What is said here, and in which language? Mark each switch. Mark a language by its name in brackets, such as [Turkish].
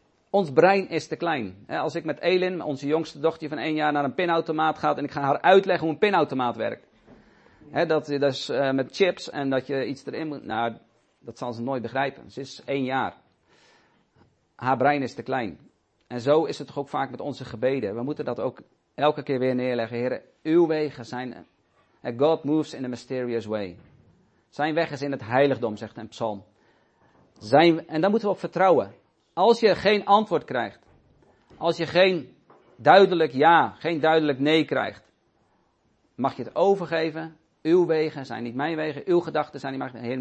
[Dutch] Ons brein is te klein. Als ik met Elin, onze jongste dochter van 1 jaar, naar een pinautomaat ga en ik ga haar uitleggen hoe een pinautomaat werkt. Dat is dus met chips en dat je iets erin moet. Nou, dat zal ze nooit begrijpen. Ze is 1 jaar. Haar brein is te klein. En zo is het toch ook vaak met onze gebeden. We moeten dat ook elke keer weer neerleggen. Heren, uw wegen zijn. [English] God moves in a mysterious way. [Dutch] Zijn weg is in het heiligdom, zegt een psalm. En daar moeten we op vertrouwen. Als je geen antwoord krijgt. Als je geen duidelijk ja, geen duidelijk nee krijgt. Mag je het overgeven. Uw wegen zijn niet mijn wegen. Uw gedachten zijn niet mijn wegen.